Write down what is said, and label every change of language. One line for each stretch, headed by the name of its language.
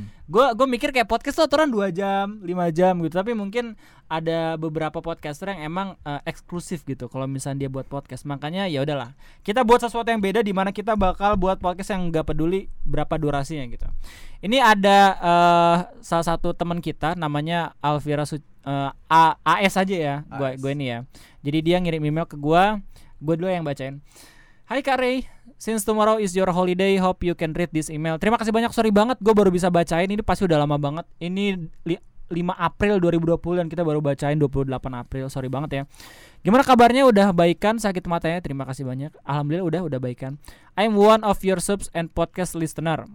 Indonesian: Gua mikir kayak podcast tuh aturan 2 jam, 5 jam gitu, tapi mungkin ada beberapa podcaster yang emang eksklusif gitu kalau misalnya dia buat podcast. Makanya ya udahlah. Kita buat sesuatu yang beda di mana kita bakal buat podcast yang enggak peduli berapa durasinya gitu. Ini ada salah satu teman kita namanya Alvira AS aja ya, gue ini ya. Jadi dia ngirim email ke gue dulu yang bacain.
English: Hai Kak Ray, since tomorrow is your holiday, hope you can read this email.
Indonesian: Terima kasih banyak, sorry banget gue baru bisa bacain. Ini pasti udah lama banget. Ini 5 April 2020 dan kita baru bacain 28 April, sorry banget ya. Gimana kabarnya, udah baikan sakit matanya? Terima kasih banyak, alhamdulillah udah baikan.
English: I'm one of your subs and podcast listener.